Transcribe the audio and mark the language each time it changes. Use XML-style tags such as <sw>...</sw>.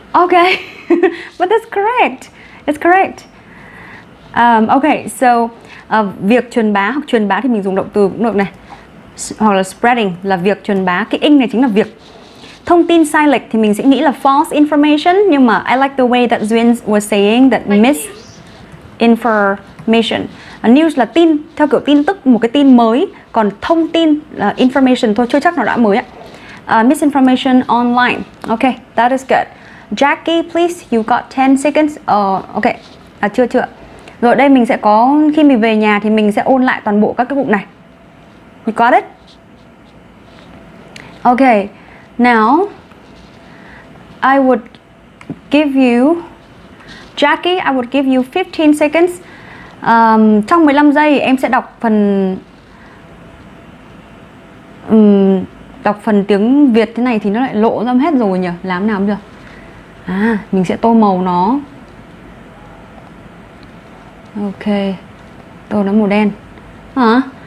<en>Okay, but that's correct. It's correct.</en> <vi>Okay, so việc truyền bá hoặc truyền bá thì mình dùng động từ cũng được này. Hoặc là spreading là việc truyền bá. Cái in này chính là việc. Thông tin sai lệch thì mình sẽ nghĩ là</vi> <en>false information.</en> <vi>Nhưng mà</vi> <en>I like the way that Duyên was saying that misinformation.</en> <vi>News là tin, theo kiểu tin tức, một cái tin mới. Còn thông tin là information thôi, chưa chắc nó đã mới ạ.</vi> <en>Misinformation online. Okay, that is good. Jackie, please, you got 10 seconds.</en> <vi>Okay, chưa. Rồi đây mình sẽ có, khi mình về nhà thì mình sẽ ôn lại toàn bộ các cái bụng này.</vi> <en>You got it? Okay, now I would give you, Jackie, I would give you 15 seconds.</en> <vi>Trong 15 giây em sẽ đọc phần đọc phần tiếng Việt thế này thì nó lại lộ ra hết rồi nhỉ. Làm nào được. À, mình sẽ tô màu nó. Ok. Tô nó màu đen. Hả?</vi>